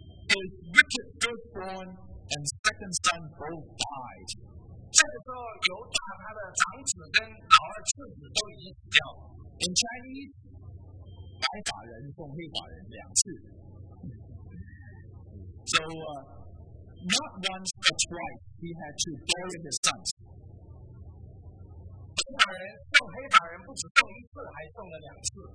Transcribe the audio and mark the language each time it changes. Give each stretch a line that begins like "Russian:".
English: His wicked firstborn and second son both died.
Chinese: 这个时候，犹大他的长子跟老二次子都已经死掉。
English: In Chinese,
Chinese: 白发人送黑发人两次。
English: So, not once but twice he had to bury his sons.
Chinese: 黑发人送黑发人不止送一次，还送了两次。